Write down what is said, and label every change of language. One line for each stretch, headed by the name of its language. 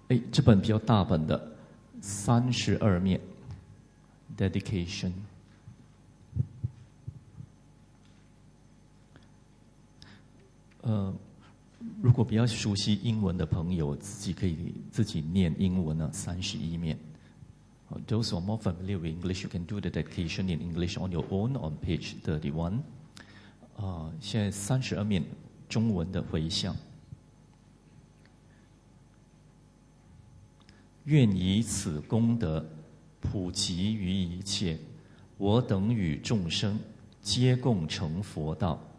Chinese: 这本比较大本的三十二面 Dedication， 如果比较熟悉英文的朋友自己可以自己念英文呢，三十一面。
English: Those who are more familiar with English, you can do the dedication in English on your own on page 31。
Chinese: 现在三十二面中文的回向，愿以此功德普及于一切，我等与众生皆共成佛道。